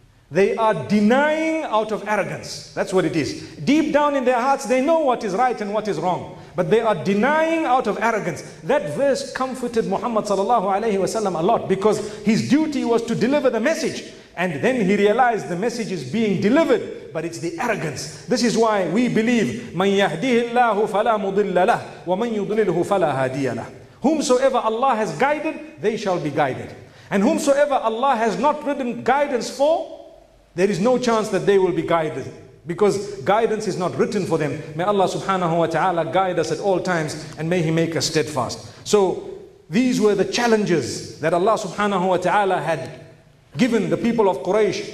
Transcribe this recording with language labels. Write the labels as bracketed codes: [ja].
[en] They are denying out of arrogance. That's what it is. Deep down in their hearts, they know what is right and what is wrong. But they are denying out of arrogance. That verse comforted Muhammad sallallahu alayhi wa sallam a lot, because his duty was to deliver the message. And then he realized the message is being delivered, but it's the arrogance. This is why we believe, [ar] مَنْ يَهْدِهِ اللَّهُ فَلَا مُضِلَّ لَهُ وَمَنْ يُضْلِلْهُ فَلَا هَادِيَ لَهُ. [en] Whomsoever Allah has guided, they shall be guided. And whomsoever Allah has not written guidance for, there is no chance that they will be guided, because guidance is not written for them. May Allah subhanahu wa ta'ala guide us at all times, and may He make us steadfast. So these were the challenges that Allah subhanahu wa ta'ala had given the people of Quraysh.